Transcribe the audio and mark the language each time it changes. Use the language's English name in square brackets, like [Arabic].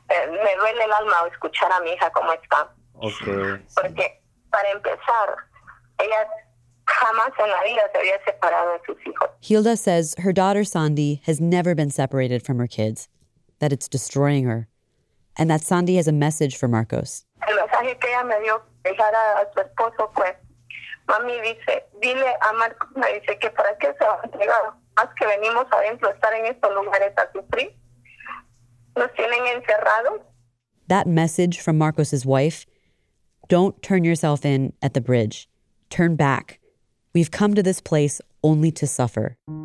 [Spanish] me duele el alma escuchar a mi hija cómo está. Okay. Porque, para empezar, ella jamás en la vida se había separado de sus hijos. [English] Hilda says her daughter Sandy has never been separated from her kids, that it's destroying her. And that Sandy has a message for Marcos. [Spanish] El mensaje que ella me dio dejar a su esposo fue, mami dice, dile a Marcos, me dice que para qué se va a entregar, más que venimos adentro a estar en estos lugares a sufrir, nos tienen encerrados. [English] That message from Marcos's wife, don't turn yourself in at the bridge, turn back. We've come to this place only to suffer.